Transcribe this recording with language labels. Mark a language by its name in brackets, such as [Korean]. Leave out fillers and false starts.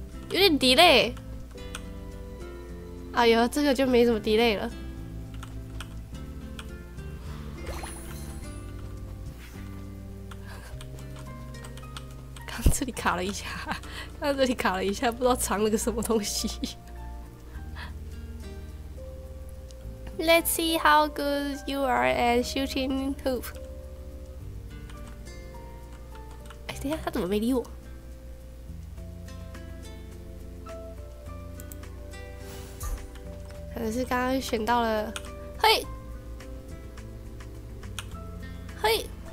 [Chinese] 有点 delay。哎呦，这个就没什么 delay 了。刚这里卡了一下，那这里卡了一下，不知道藏了个什么东西。 [English] Let's see how good you are at shooting hoop。 [Chinese] 哎，等一下，他怎么没理我？可能是刚刚选到了，嘿，嘿。